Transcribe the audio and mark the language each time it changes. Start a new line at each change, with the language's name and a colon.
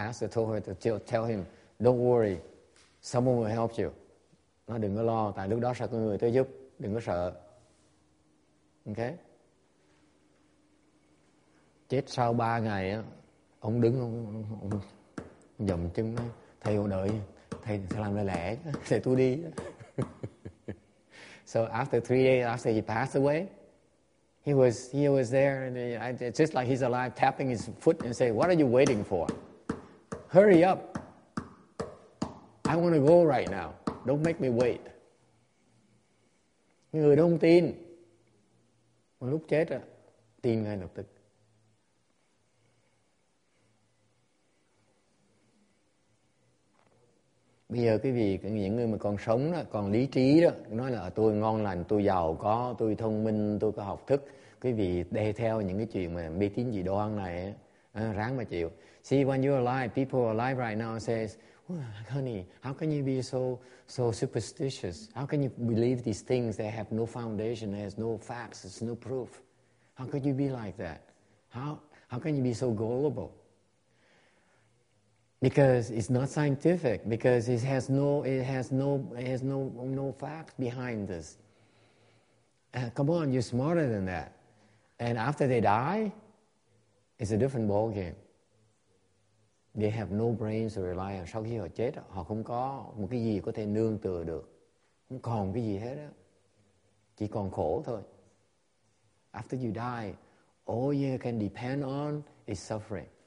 English: But then I told her to tell him, don't worry, someone will help you.
Vietnamese: Nó đừng có lo, tại lúc đó sẽ có người tới giúp, đừng có sợ. Okay? Chết sau 3 ngày á, ông đứng ông dậm chân nó, thầy ông đợi, thầy sẽ làm lại lẻ, thầy tôi đi.
English: So after 3 days after he passed away, he was there, and it's just like he's alive, tapping his foot and say, "What are you waiting for? Hurry up! I want to go right now. Don't make me wait."
Vietnamese: Người đó không tin. Mà lúc chết á, tin ngay lập tức. Bây giờ quý vị, những người mà còn sống đó, còn lý trí đó, nói là tôi ngon lành, tôi giàu có, tôi thông minh, tôi có học thức. Quý vị đề theo những cái chuyện mà mê tín dị đoan này, ráng mà chịu.
English: See, when you're alive, people alive right now says, well, honey, how can you be so superstitious? How can you believe these things that have no foundation, has no facts, has no proof? How could you be like that? How can you be so gullible? Because it's not scientific, because it has no facts behind this. Come on, you're smarter than that. And after they die, it's a different ball game. They have no brains to rely on.
Vietnamese: Sau khi họ chết, họ không có một cái gì có thể nương tựa được. Không còn cái gì hết á. Chỉ còn khổ thôi.
English: After you die, all you can depend on is suffering.